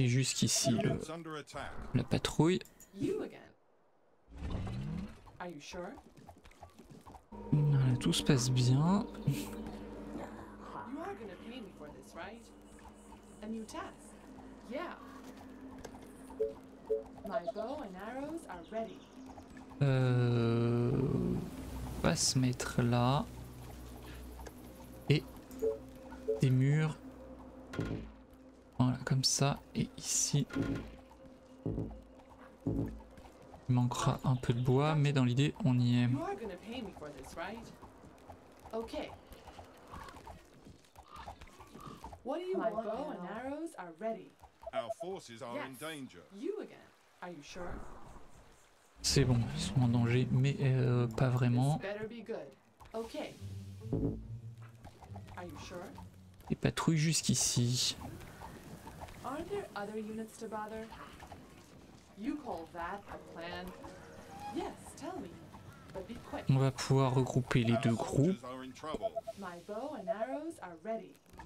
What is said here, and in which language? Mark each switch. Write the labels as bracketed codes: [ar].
[fr] Et jusqu'ici la patrouille. [en] You again. Are you sure? [fr] Voilà, tout se passe bien. [en] You are gonna pay me for this, right? A new task. Yeah. My bow and arrows are ready. [fr] On va se mettre là. Et des murs. Voilà, comme ça. Et ici. Il manquera un peu de bois, mais dans l'idée, on y est. [en] You are gonna pay me for this, right? Okay. What do you want? My bow and arrows are ready. Our forces are in danger. You again? Are you sure? [fr] C'est bon, ils sont en danger, mais pas vraiment. [en] This better be good. Okay. Are you sure? [fr] Les patrouilles jusqu'ici. [en] Aren't there other units to bother? You call that a plan? Yes, tell me. But be quick. [fr] On va pouvoir regrouper les deux groupes. [en] My bow and arrows are ready.